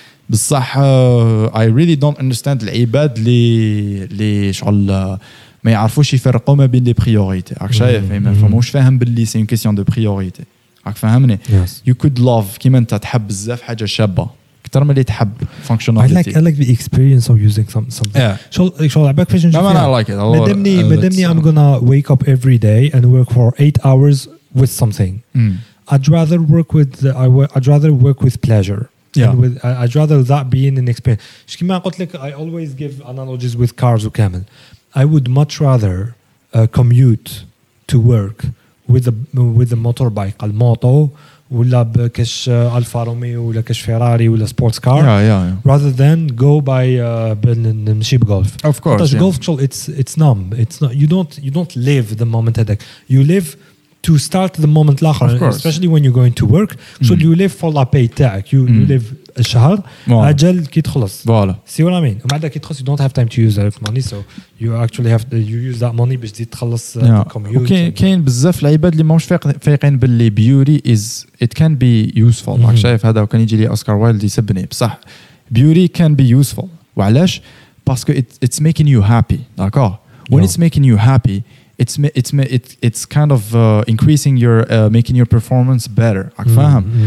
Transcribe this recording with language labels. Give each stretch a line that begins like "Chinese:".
Arabic: بصح
English: I really don't understand
Arabic: العباد اللي شغل ما يعرفوش يفرقوا ما بين
English: the priority.
Arabic: عارف شايف؟ فمش فاهم بلي سين كيسيون
French: de priority.
Arabic: عارف فهمني؟
English: Yes. You could love
Arabic: كيما أنت تحب بزاف حاجة شابة. كتر ملي تحب functionality.
English: I like the experience of using something. Yeah. I like it.
Arabic: مدمني
English: I'm gonna wake up every day and work for 8 hours with something. I'd rather work with pleasure. Yeah. With, I'd rather that being an experience.
Arabic: شكيما قلت لك
English: I always give analogies with cars or camel. I would much rather commute to work with a motorbike.
Arabic: الموتو ولا بكش ألفا روميو ولا كش فيراري ولا سبورتس كار
English: rather than go by
Arabic: نمشي بغولف
English: of course because golf
Arabic: شغل
English: it's numb it's not you don't live the moment
Arabic: هذاك
English: you live to start the moment
Arabic: الآخر
English: of course especially when you're going to work so you live for la pay
Arabic: تاعك
English: you live
Arabic: الشهر أجل كي تخلص
French: فوالا
English: see what I mean
Arabic: ومع ذلك كي تخلص
English: you don't have time to use that money so you actually have to, you use that money
Arabic: باش تخلص
English: commute
Arabic: كاين بزاف العباد اللي ماهمش فايقين باللي
English: beauty is it can be useful
Arabic: راك شايف هذا وكان يجي لي أوسكار وايلد يسبني بصح
English: beauty can be useful
Arabic: وعلاش باسكو
English: it's making you happy
Arabic: داكو
English: when it's making you happy it's kind of increasing your making your performance better
Arabic: راك فاهم